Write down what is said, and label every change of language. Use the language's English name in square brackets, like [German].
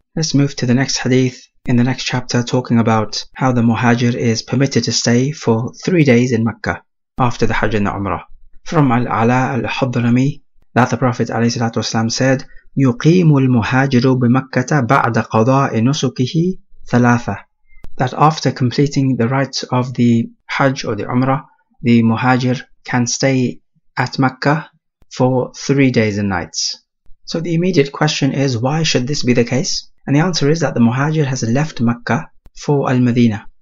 [English] Let's move to the next hadith in the next chapter, talking about how the muhajir is permitted to stay for 3 days in Mecca after the Hajj and the Umrah. From Al-A'la al-Hudrami, that the Prophet ﷺ said, [Arabic] يُقِيمُ الْمُهَاجِرُ بِمَكَّةَ بَعْدَ قَضَاءِ نُسُكِهِ ثَلَاثَةً. [English] That after completing the rites of the Hajj or the Umrah, the muhajir can stay at Mecca for 3 days and nights. So the immediate question is, why should this be the case? And the answer is that the muhajir has left Mecca for Al-Madinah.